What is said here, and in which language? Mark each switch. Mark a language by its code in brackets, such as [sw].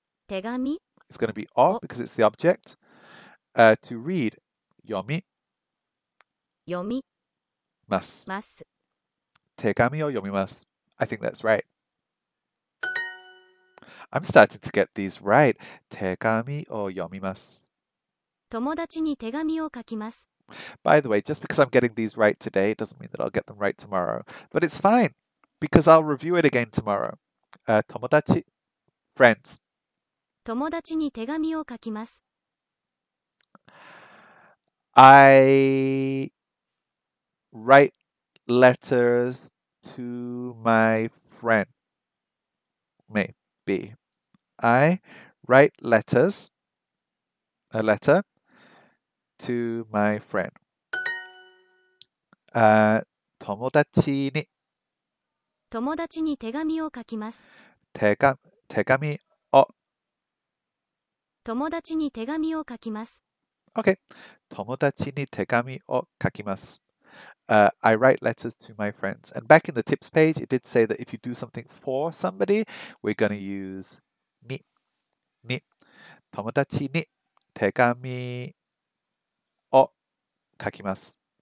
[en] It's going to be o because it's the object. To read, yomimasu. [ja] Tegami o yomimasu. [en] I think that's right. I'm starting to get these right. [ja] Tegami o yomimasu. 友達に手紙を書きます。 [en] By the way, just because I'm getting these right today, it doesn't mean that I'll get them right tomorrow. But it's fine, because I'll review it again tomorrow. [ja] 友達、friends. 友達に手紙を書きます。 [en] I write letters to my friend. Maybe. I write letters, a letter, to my friend. [ja] 友達に。友達に手紙を書きます。手紙を。友達に手紙を書きます。 [en] Okay. [ja] 友達に手紙を書きます。 [en] I write letters to my friends. And back in the tips page, it did say that if you do something for somebody, we're going to use に。 [ja] に。友達に手紙を書きます。